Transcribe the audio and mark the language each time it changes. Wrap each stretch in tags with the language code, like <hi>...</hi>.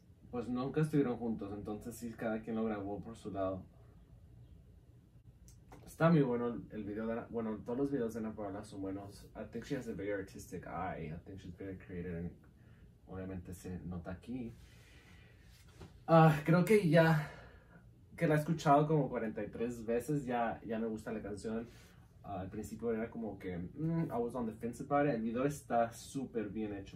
<es>Pues nunca estuvieron juntos, entonces sí, cada quien lo grabó por su lado. Está muy bueno el video de Ana. Bueno, todos los videos de Ana Paola son buenos.</es> <en>I think she has a very artistic eye. I think she's very creative.</en> <es>Obviamente se nota aquí. Creo que ya que la he escuchado como 43 veces, ya me gusta la canción. Al principio era como que</es> <en>I was on the fence about it.</en> <es>El video está súper bien hecho.</es>